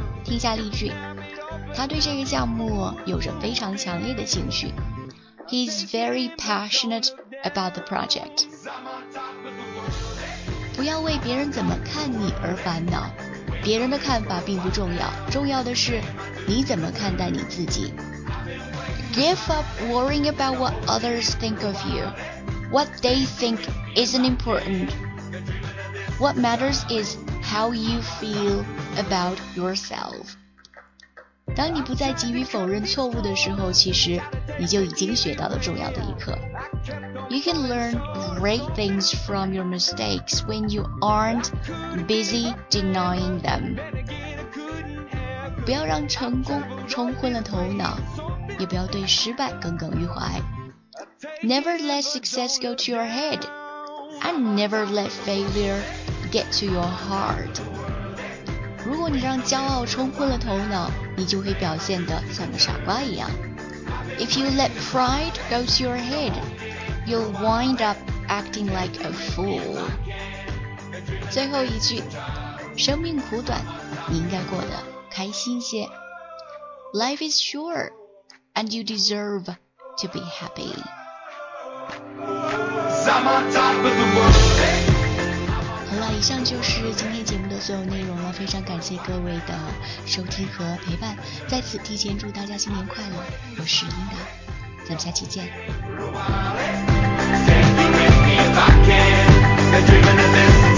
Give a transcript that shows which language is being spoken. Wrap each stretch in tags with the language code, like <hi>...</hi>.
<zh>听下例句，他对这个项目有着非常强烈的情绪。</zh> <en>He's very passionate about the project.</en> <zh>不要为别人怎么看你而烦恼，别人的看法并不重要，重要的是你怎么看待你自己。</zh> <en>Give up worrying about what others think of you. What they think isn't important. What matters is how you feel about yourself.</en> <zh>当你不再急于否认错误的时候，其实你就已经学到了重要的一课。</zh> <en>You can learn great things from your mistakes when you aren't busy denying them.</en> <zh>不要让成功冲昏了头脑，也不要对失败耿耿于怀。</zh> <en>Never let success go to your head, and never let failure get to your heart.</en> <zh>如果你让骄傲冲昏了头脑，你就会表现得像个傻瓜一样。</zh> <en>If you let pride go to your head, you'll wind up acting like a fool.</en> <zh>最后一句，生命苦短，你应该过得开心些。</zh> <en>Life is short. And you deserve to be happy.</en> <zh>好了，以上就是今天节目的所有内容了，非常感谢各位的收听和陪伴，在此提前祝大家新年快乐，我是英达，咱们下期见。</zh>